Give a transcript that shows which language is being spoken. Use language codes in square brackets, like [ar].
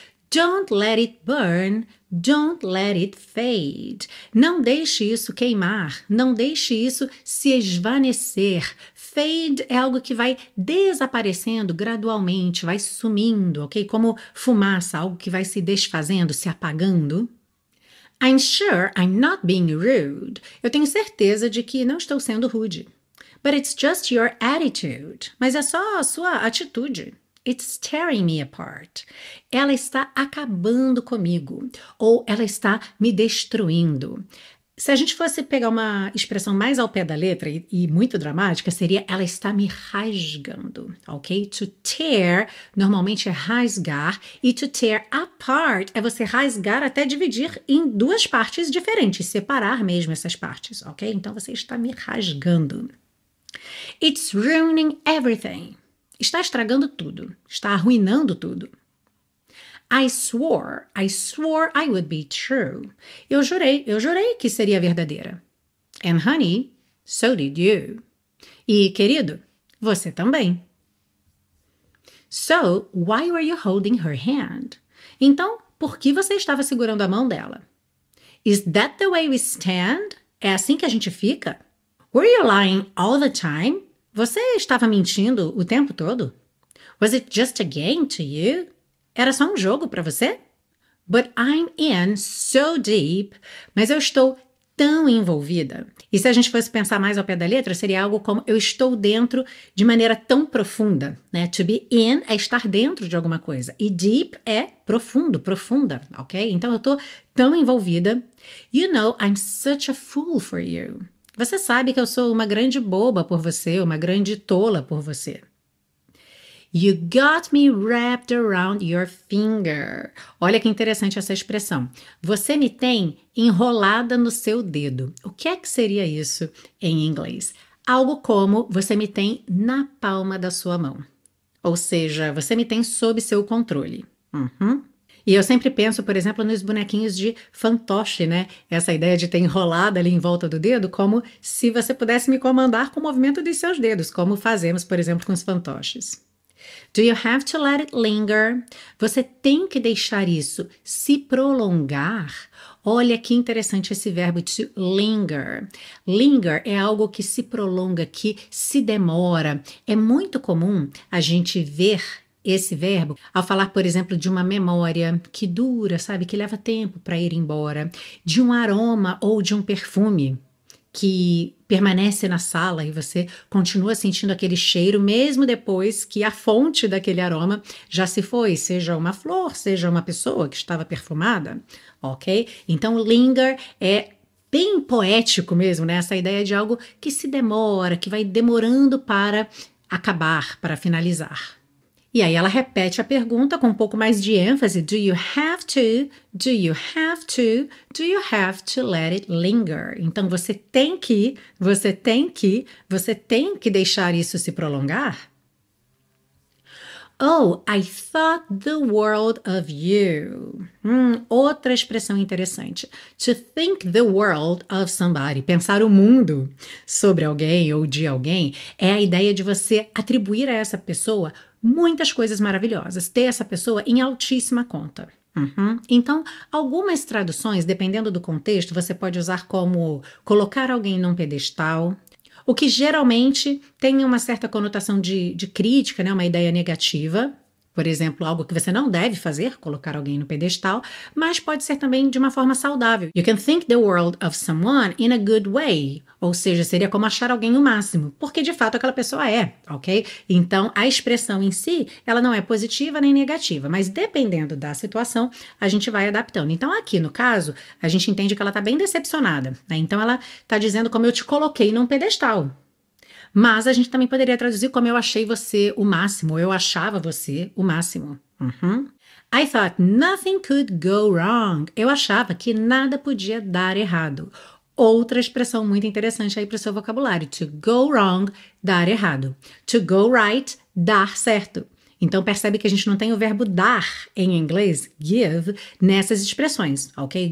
[en] Don't let it burn. Don't let it fade. [pt] Não deixe isso queimar. Não deixe isso se esvanecer. Fade é algo que vai desaparecendo gradualmente, vai sumindo, ok? Como fumaça, algo que vai se desfazendo, se apagando. [en] I'm sure I'm not being rude. [pt] Eu tenho certeza de que não estou sendo rude. [en] But it's just your attitude. [pt] Mas é só a sua atitude. [en] It's tearing me apart. [pt] Ela está acabando comigo. Ou ela está me destruindo. Se a gente fosse pegar uma expressão mais ao pé da letra e muito dramática, seria ela está me rasgando, ok? To tear, normalmente é rasgar, e to tear apart é você rasgar até dividir em duas partes diferentes, separar mesmo essas partes, ok? Então você está me rasgando. [en] It's ruining everything. [pt] Está estragando tudo, está arruinando tudo. [en] I swore I would be true. [pt] Eu jurei que seria verdadeira. [en] And honey, so did you. [pt] E querido, você também. [en] So, why were you holding her hand? [pt] Então, por que você estava segurando a mão dela? [en] Is that the way we stand? [pt] É assim que a gente fica? [en] Were you lying all the time? [pt] Você estava mentindo o tempo todo? [en] Was it just a game to you? [pt] Era só um jogo para você? [en] But I'm in so deep. [pt] Mas eu estou tão envolvida. E se a gente fosse pensar mais ao pé da letra, seria algo como eu estou dentro de maneira tão profunda, né? To be in é estar dentro de alguma coisa. E deep é profundo, profunda, ok? Então, eu tô tão envolvida. [en] You know, I'm such a fool for you. [pt] Você sabe que eu sou uma grande boba por você, uma grande tola por você. [en] You got me wrapped around your finger. [pt] Olha que interessante essa expressão. Você me tem enrolada no seu dedo. O que é que seria isso em inglês? Algo como você me tem na palma da sua mão. Ou seja, você me tem sob seu controle. Uhum. E eu sempre penso, por exemplo, nos bonequinhos de fantoche, né? Essa ideia de ter enrolada ali em volta do dedo, como se você pudesse me comandar com o movimento de seus dedos, como fazemos, por exemplo, com os fantoches. [en] Do you have to let it linger? [pt] Você tem que deixar isso se prolongar? Olha que interessante esse verbo to linger. Linger é algo que se prolonga, que se demora. É muito comum a gente ver esse verbo ao falar, por exemplo, de uma memória que dura, sabe, que leva tempo para ir embora, de um aroma ou de um perfume que permanece na sala e você continua sentindo aquele cheiro mesmo depois que a fonte daquele aroma já se foi, seja uma flor, seja uma pessoa que estava perfumada, ok? Então, linger é bem poético mesmo, né? Essa ideia de algo que se demora, que vai demorando para acabar, para finalizar. E aí ela repete a pergunta com um pouco mais de ênfase. [en] Do you have to, do you have to, do you have to let it linger? [pt] Então você tem que, você tem que, você tem que deixar isso se prolongar? [en] Oh, I thought the world of you. [pt] Outra expressão interessante. [en] To think the world of somebody. [pt] Pensar o mundo sobre alguém ou de alguém é a ideia de você atribuir a essa pessoa muitas coisas maravilhosas, ter essa pessoa em altíssima conta. Uhum. Então, algumas traduções, dependendo do contexto, você pode usar como colocar alguém num pedestal, o que geralmente tem uma certa conotação de crítica, né? Uma ideia negativa, por exemplo, algo que você não deve fazer, colocar alguém no pedestal, mas pode ser também de uma forma saudável. [en] You can think the world of someone in a good way. [pt] Ou seja, seria como achar alguém o máximo, porque de fato aquela pessoa é, ok? Então, a expressão em si, ela não é positiva nem negativa, mas dependendo da situação, a gente vai adaptando. Então, aqui no caso, a gente entende que ela está bem decepcionada, né? Então, ela está dizendo como eu te coloquei num pedestal. Mas a gente também poderia traduzir como eu achei você o máximo, ou eu achava você o máximo. Uhum. [en] I thought nothing could go wrong. [pt] Eu achava que nada podia dar errado. Outra expressão muito interessante aí para o seu vocabulário. To go wrong, dar errado. To go right, dar certo. Então percebe que a gente não tem o verbo dar em inglês, give, nessas expressões, ok?